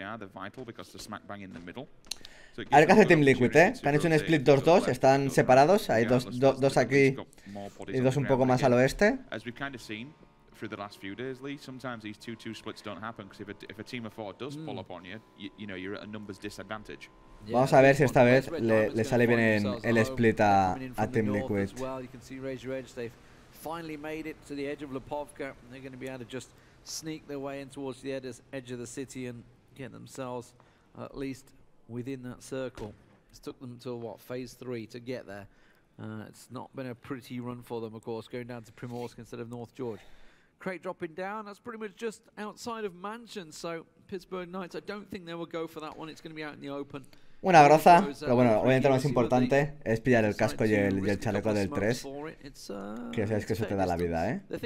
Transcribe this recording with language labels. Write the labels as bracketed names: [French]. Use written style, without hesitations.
[Spanish] A ver qué hace Team Liquid, que han hecho un split 2-2, están separados, hay dos aquí y dos un poco más al oeste. [English] Through the last few days, Lee, sometimes these 2-2 splits don't happen because if a team of four does pull up on you, you know you're at a numbers disadvantage. [Spanish] Vamos a ver si esta vez le sale bien el split a Team Liquid. [English] Well, you can see Razor Edge, they've finally made it to the edge of Lapovka. They're going to be able to just sneak their way in towards the edge of the city and get themselves at least within that circle. It's took them to what, phase 3 to get there. It's not been a pretty run for them, of course, going down to Primorsk instead of North George. crate dropping down. That's pretty much just outside of Mansion. So Pittsburgh Knights, I don't think they will go for that one. It's going to be out in the open. [Spanish] Una groza, pero bueno, obviamente lo más importante es pillar el casco y el chaleco del 3. Que sabes que eso te da la vida, ¿eh?